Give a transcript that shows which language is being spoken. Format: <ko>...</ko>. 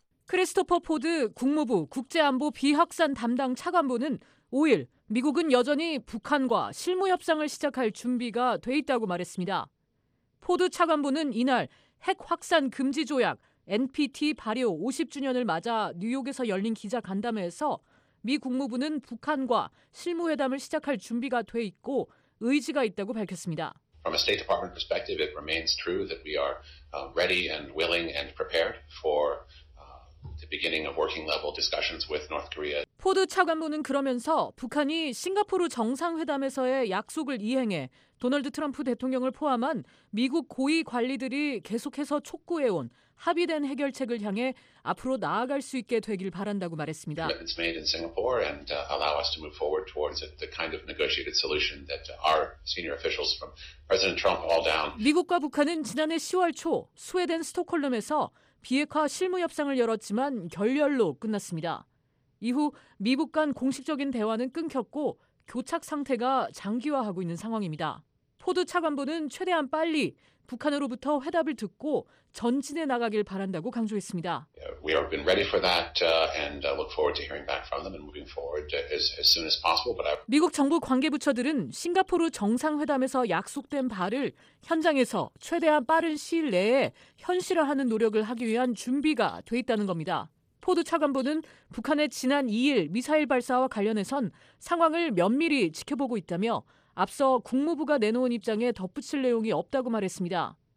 <ko>크리스토퍼 포드 국무부 국제안보 비확산 담당 차관보는 5일 미국은 여전히 북한과 실무 협상을 시작할 준비가 돼 있다고 말했습니다. 포드 차관보는 이날 핵 확산 금지 조약 NPT 발효 50주년을 맞아 뉴욕에서 열린 기자간담회에서 미 국무부는 북한과 실무회담을 시작할 준비가 돼 있고 의지가 있다고 밝혔습니다.</ko> <en>From a State Department perspective, it remains true that we are ready and willing and prepared for the beginning of working level discussions with North Korea.</en> <ko>포드 차관보는 그러면서 북한이 싱가포르 정상회담에서의 약속을 이행해 도널드 트럼프 대통령을 포함한 미국 고위 관리들이 계속해서 촉구해온 합의된 해결책을 향해 앞으로 나아갈 수 있게 되길 바란다고 말했습니다.</ko> <en>It's made in Singapore and allow us to move forward towards the kind of negotiated solution that our senior officials from President Trump all down.</en> <ko>미국과 북한은 지난해 10월 초 스웨덴 스톡홀름에서 비핵화 실무 협상을 열었지만 결렬로 끝났습니다. 이후 미북 간 공식적인 대화는 끊겼고 교착 상태가 장기화하고 있는 상황입니다. 포드 차관보는 최대한 빨리 북한으로부터 회답을 듣고 전진해 나가길 바란다고 강조했습니다.</ko> <en>We have been ready for that and look forward to hearing back from them and moving forward as soon as possible. But</en> <ko>미국 정부 관계 부처들은 싱가포르 정상회담에서 약속된 바를 현장에서 최대한 빠른 시일 내에 현실화하는 노력을 하기 위한 준비가 돼 있다는 겁니다. 포드 차관보는 북한의 지난 2일 미사일 발사와 관련해선 상황을 면밀히 지켜보고 있다며 앞서 국무부가 내놓은 입장에 덧붙일 내용이 없다고 말했습니다.</ko>